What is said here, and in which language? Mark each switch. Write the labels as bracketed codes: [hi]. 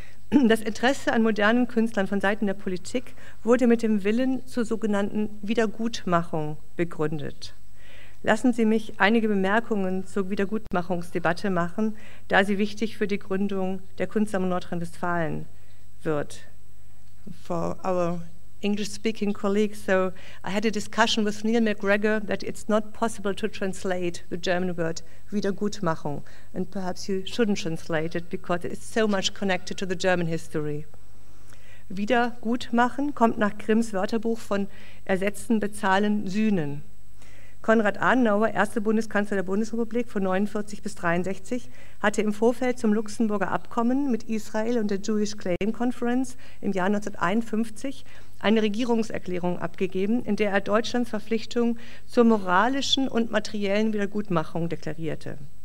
[de] Das Interesse an modernen Künstlern von Seiten der Politik wurde mit dem Willen zur sogenannten Wiedergutmachung begründet. Lassen Sie mich einige Bemerkungen zur Wiedergutmachungsdebatte machen, da sie wichtig für die Gründung der Kunstsammlung Nordrhein-Westfalen wird. [en] For our English-speaking colleagues, so I had a discussion with Neil McGregor that it's not possible to translate the German word Wiedergutmachung, and perhaps you shouldn't translate it because it's so much connected to the German history. [de] Wiedergutmachen kommt nach Grimms Wörterbuch von ersetzen, bezahlen, sühnen. Konrad Adenauer, erster Bundeskanzler der Bundesrepublik von 1949 bis 1963, hatte im Vorfeld zum Luxemburger Abkommen mit Israel und der Jewish Claim Conference im Jahr 1951 eine Regierungserklärung abgegeben, in der er Deutschlands Verpflichtung zur moralischen und materiellen Wiedergutmachung deklarierte.